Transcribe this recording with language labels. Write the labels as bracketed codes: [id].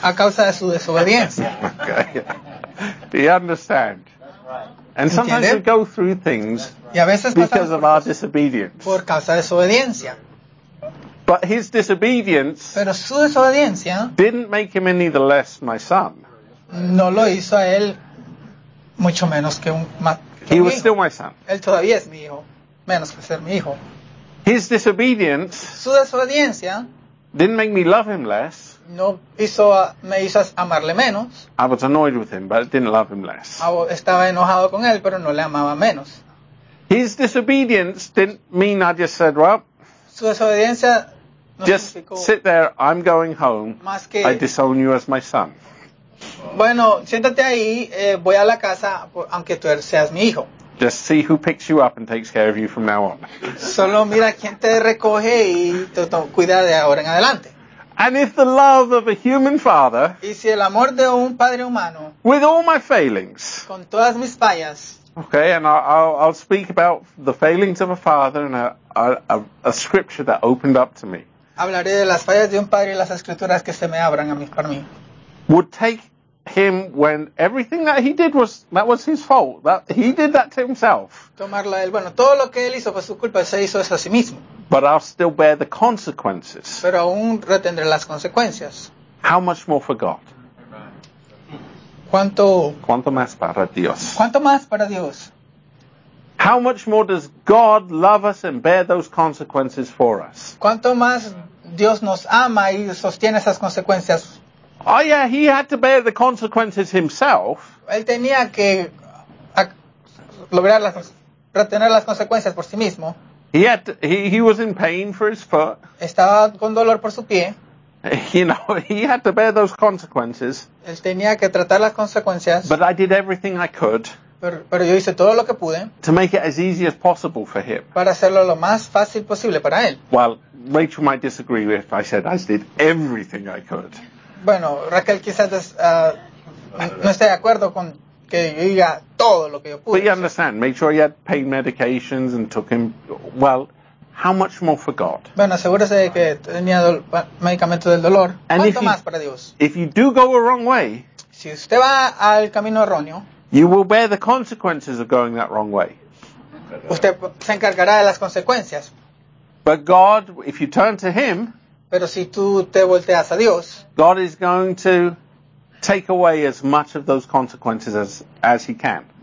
[es] A causa de su desobediencia. [en] Okay. Do you understand? And sometimes [es] ¿entiende? [en] We go through things. [es] Y a veces [en] because of our disobedience. [es] Por causa de desobediencia. [en] But his disobedience. [es] Pero su desobediencia. [en] Didn't make him any the less my son. [es] No lo hizo a él mucho menos que un más. [en] He was still my son. [es] Él todavía es mi hijo. Menos que ser mi hijo. [en] His disobedience. [es] Su desobediencia. [en] Didn't make me love him less. [es] No hizo me hizo amarle menos. [en] I was annoyed with him, but I didn't love him less. [es] Estaba enojado con él, pero no le amaba menos. [en] His disobedience didn't mean I just said, well. [es] Su desobediencia no [en] just sit there. I'm going home. [es] Más que [en] I disown you as my son. [es] Bueno, siéntate ahí. Voy a la casa, aunque tú seas mi hijo. [en] Just see who picks you up and takes care of you from now on. [es] Solo mira quién te recoge y te cuida de ahora en adelante. [en] And if the love of a human father, [es] y si el amor de un padre humano, [en] with all my failings, [es] con todas mis fallas, [en] okay, and I'll speak about the failings of a father and a scripture that opened up to me. [es] Hablaré de las fallas de un padre y las escrituras que se me abran a mí para mí. [en] Would take him when everything that he did was that was his fault, that he did that to himself. [es] Tomarla él, bueno, todo lo que él hizo fue su culpa, se hizo eso a sí mismo. [en] But I'll still bear the consequences. [es] Pero aún retendré las consecuencias. [en] How much more for God? [es] ¿Cuánto más para Dios? ¿Cuánto más para Dios? [en] How much more does God love us and bear those consequences for us? [es] ¿Cuánto más Dios nos ama y sostiene esas consecuencias? [en] Oh yeah, he had to bear the consequences himself. [es] Él tenía que lograr las retener las consecuencias por sí mismo. [en] He was in pain for his foot. [es] Estaba con dolor por su pie. [en] You know, he had to bear those consequences. [es] Él tenía que tratar las consecuencias. [en] But I did everything I could. [es] Pero yo hice todo lo que pude. [en] To make it as easy as possible for him. [es] Para hacerlo lo más fácil posible para él. [en] Well, Rachel might disagree if I said I did everything I could. [es] Bueno, Raquel quizás no esté de acuerdo con que yo diga todo lo que yo pude. [en] But you understand, make sure he had pain medications and took him, well, how much more for God? [es] Bueno, asegúrese de que tenía medicamentos del dolor. ¿Cuánto más para Dios? [en] If you do go a wrong way, [es] si usted va al camino erróneo, [en] you will bear the consequences of going that wrong way. [es] Usted se encargará de las consecuencias. [en] But God, if you turn to Him, [es] pero si tú te volteas a Dios, [en] God is going to take away as much of those consequences as He can.